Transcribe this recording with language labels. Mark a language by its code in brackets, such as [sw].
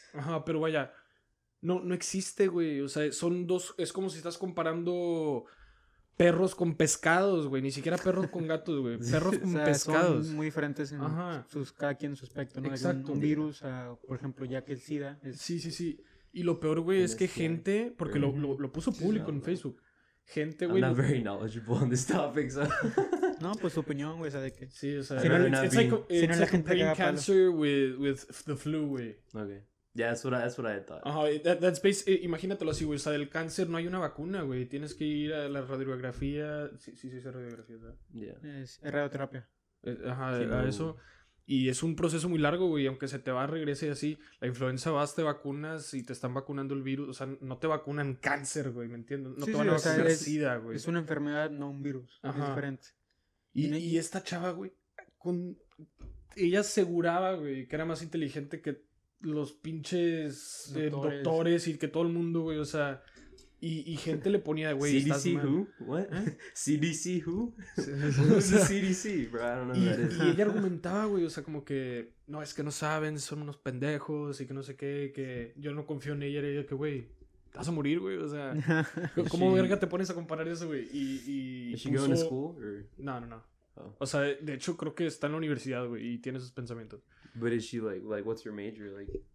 [es] Ajá, pero vaya, no existe, güey. O sea, son dos, es como si estás comparando perros con pescados, güey. Ni siquiera perros con gatos, güey. Perros con, o sea, pescados. Son muy diferentes en sus, cada quien en su aspecto, ¿no? Exacto. Un virus, por ejemplo, ya que el SIDA. Sí. Y lo peor, güey, es que gente, porque lo puso público en Facebook. Gente, güey. [en] I'm not very knowledgeable on this topic, so. [es] No, pues su opinión, güey, ¿sabe qué? Sí, o sea. [en] It's like brain cancer with the flu, [es] güey. [en] Okay. Yeah, that's what I thought. [es] Imagínatelo así, güey. O sea, del cáncer no hay una vacuna, güey. Tienes que ir a la radiografía. Sí, es radiografía, ¿verdad? [en] Yeah. [es] Es radioterapia. Eso. Y es un proceso muy largo, güey, aunque se te va, regrese y así, la influenza vas, te vacunas y te están vacunando el virus, o sea, no te vacunan cáncer, güey, ¿me entiendes? No, sí, te van, sí, a vacunar, o sea, SIDA, güey. Es una enfermedad, no un virus, ajá. Es diferente. Y esta chava, güey, ella aseguraba, güey, que era más inteligente que los pinches doctores y que todo el mundo, güey, o sea... Y gente le ponía, güey, [en] CDC, [es] estás mal. [en] CDC who? What? CDC who? CDC, bro, I don't know who that is. [es] Y ella argumentaba, güey, o sea, como que... No, es que no saben, son unos pendejos y que no sé qué, que... Yo no confío en ella, y ella que, güey, te vas a morir, güey, o sea... ¿Cómo verga te pones a comparar eso, güey? Y [en] ¿Is she going to school? No. [es] Oh. O sea, de hecho, creo que está en la universidad, güey, y tiene sus pensamientos. [en] But is she, like, what's your major, like...